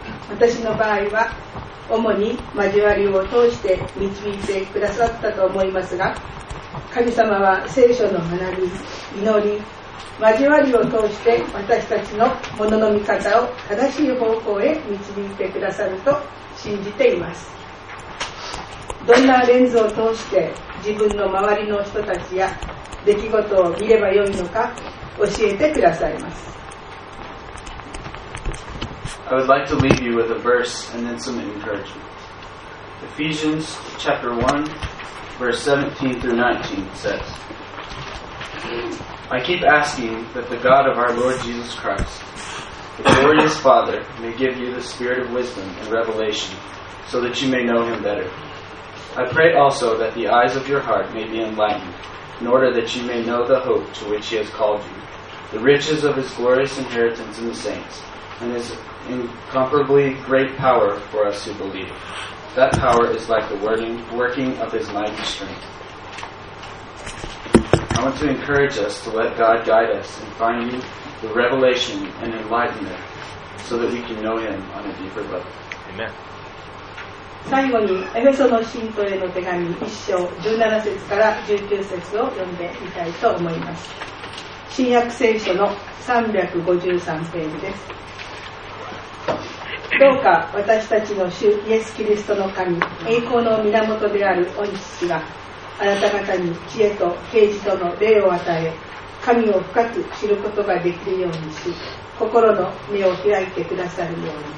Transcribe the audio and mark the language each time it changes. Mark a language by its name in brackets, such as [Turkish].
[Japanese] 私の場合は主に交わりを通して導いてくださったと思いますが、神様は聖書の学び、祈り、交わりを通して私たちのものの見方を正しい方向へ導いてくださると信じています。どんなレンズを通して自分の周りの人たちや出来事を見ればよいのか教えてくださいます。 [English] I would like to leave you with a verse and then some encouragement. Ephesians chapter 1 verse 17 through 19 says, I keep asking that the God of our Lord Jesus Christ, the glorious Father, may give you the spirit of wisdom and revelation so that you may know him better. I pray also that the eyes of your heart may be enlightened, in order that you may know the hope to which he has called you, the riches of his glorious inheritance in the saints, and his incomparably great power for us who believe. That power is like the working of his mighty strength. I want to encourage us to let God guide us in finding the revelation and enlightenment so that we can know him on a deeper level. Amen. [Japanese] 最後にエフェソの信徒への手紙1章17節から19節を読んでみたいと思います。新約聖書の353ページです。どうか私たちの主イエスキリストの神、栄光の源である御父があなた方に知恵と啓示との霊を与え、神を深く知ることができるようにし、心の目を開いてくださるように、